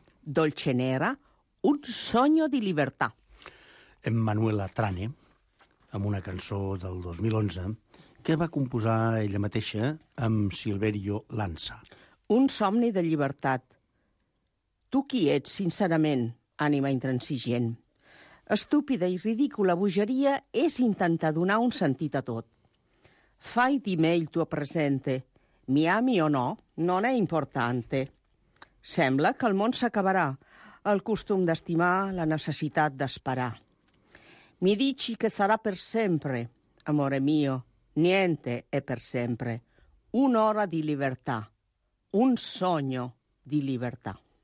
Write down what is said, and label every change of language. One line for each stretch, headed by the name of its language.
Italian: Dolce Nera, un sogno di libertà.
Catalan: Emanuela Trane, amb una cançó del 2011, que va composar ella mateixa amb Silverio Lanza. Un somni de llibertat. Tu qui ets, sincerament, ànima intransigent? Estúpida i ridícula bogeria és intentar donar un sentit a tot.
Italian: Fai di me il tuo presente. Mi ami o no, non è importante.
Catalan: Sembla que el món s'acabarà, el costum d'estimar, la necessitat d'esperar.
Italian: Mi dici que sarà per sempre, amore mio, niente è per sempre. un'ora di libertà, un sogno di libertà.